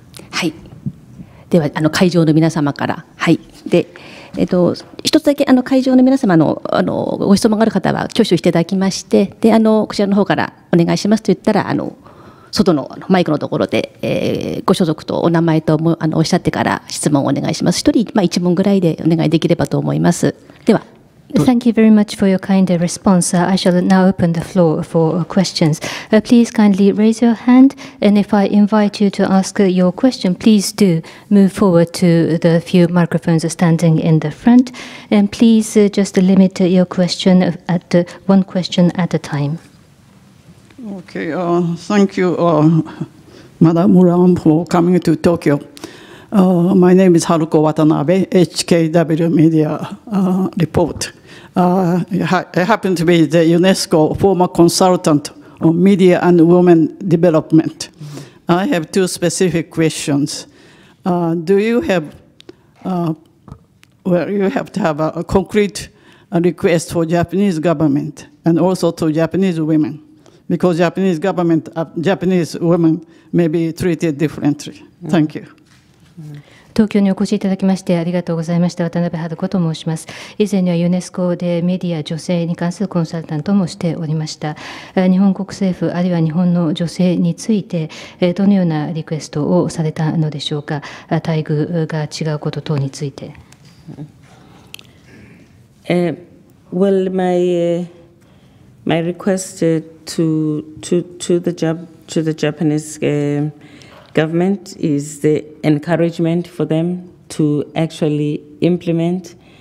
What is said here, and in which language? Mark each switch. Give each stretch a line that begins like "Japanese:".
Japanese: はい、では会場の皆様から、はい、で一つだけ会場の皆様 のご質問がある方は挙手していただきまして、でこちらの方からお願いしますと言ったら外のマイクのところで、ご所属とお名前ともおっしゃってから質問をお願いします。一人、一問ぐらいでお願いできればと思います。では、
English: Thank you very much for your kind response. I shall now open the floor for questions. Please kindly raise your hand, and if I invite you to ask your question, please do move forward to the few microphones standing in the front, and please just limit your question at one question at a time. Okay, thank you, Madam Muran, for coming to Tokyo. My name is Haruko Watanabe, HKW Media Report. I happen to be the UNESCO former consultant on media and women development. I have two specific questions. Do you have, you have to have a concrete request for Japanese government and also to Japanese women? Because Japanese government, Japanese women may be treated differently. Thank you.
Japanese: 東京にお越しいただきましてありがとうございました。渡辺春子と申します。以前にはユネスコでメディア、女性に関するコンサルタントもしておりました。日本国政府あるいは日本の女性についてどのようなリクエストをされたのでしょうか。待遇が違うこと等について。
English: Well, my request to the Japanese government is the encouragement for them to actually implement